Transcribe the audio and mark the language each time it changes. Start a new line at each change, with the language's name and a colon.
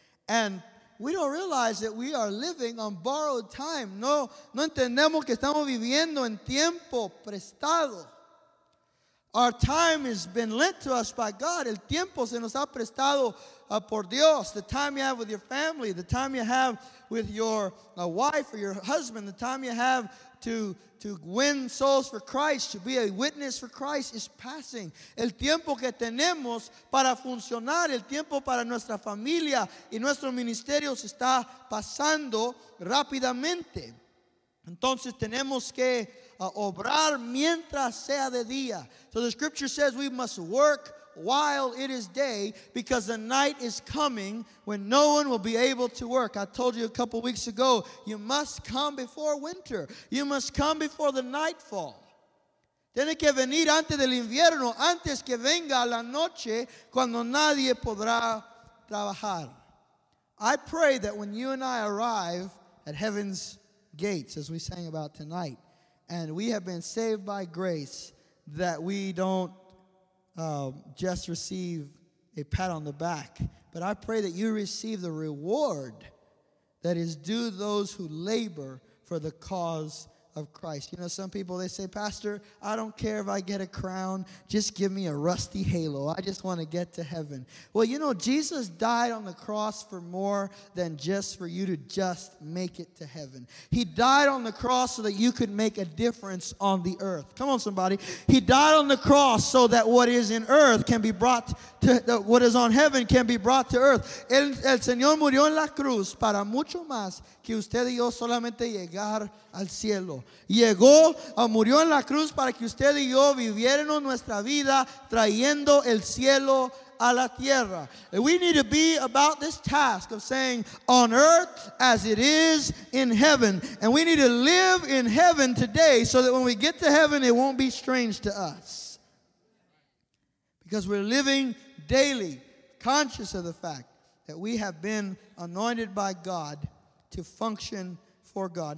English: And we don't realize that we are living on borrowed time.
Spanish: No entendemos que estamos viviendo en tiempo prestado.
English: Our time has been lent to us by God.
Spanish: El tiempo se nos ha prestado por Dios.
English: The time you have with your family, the time you have with your wife or your husband, the time you have to win souls for Christ, to be a witness for Christ, is passing.
Spanish: El tiempo que tenemos para funcionar, el tiempo para nuestra familia y nuestro ministerio se está pasando rápidamente. Entonces tenemos que obrar mientras sea de día.
English: So the scripture says we must work while it is day, because the night is coming when no one will be able to work. I told you a couple weeks ago, you must come before winter. You must come before the nightfall.
Spanish: Tiene que venir antes del invierno, antes que venga la noche, cuando nadie podrá trabajar.
English: I pray that when you and I arrive at heaven's gates, as we sang about tonight, and we have been saved by grace, that we don't just receive a pat on the back, but I pray that you receive the reward that is due those who labor for the cause of Christ. You know, some people, they say, Pastor, I don't care if I get a crown, just give me a rusty halo. I just want to get to heaven. Well, you know, Jesus died on the cross for more than just for you to just make it to heaven. He died on the cross so that you could make a difference on the earth. Come on, somebody. He died on the cross so that what is in earth can be brought to, what is on heaven can be brought to earth.
Spanish: El Señor murió en la cruz para mucho más que usted y yo solamente llegar al cielo. Llegó, murió en la cruz para que usted y yo viviéramos nuestra vida trayendo el cielo a la tierra.
English: And we need to be about this task of saying, on earth as it is in heaven. And we need to live in heaven today so that when we get to heaven, it won't be strange to us. Because we're living daily, conscious of the fact that we have been anointed by God to function for God.